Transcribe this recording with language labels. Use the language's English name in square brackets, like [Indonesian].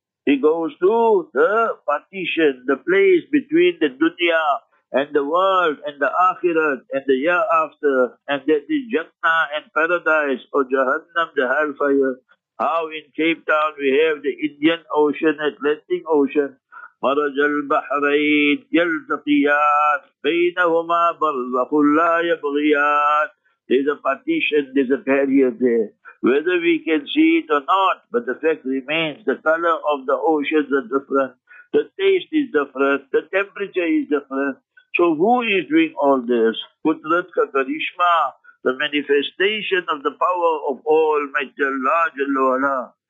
[English] He goes to the partition, the place between the dunya and the world and the akhirat and the year after. And that is Jannah and paradise, or Jahannam, the hellfire. How in Cape Town we have the Indian Ocean, Atlantic Ocean. [Arabic] مرج البحرين يلتقيان بينهما برزخ لا يبغيان. [English] There's a partition, there's a barrier there. Whether we can see it or not, but the fact remains, the color of the oceans are different, the taste is different, the temperature is different. So who is doing all this? [Urdu] Qudrat ka karishma, [English] the manifestation of the power of Almighty Allah Jalla Wala.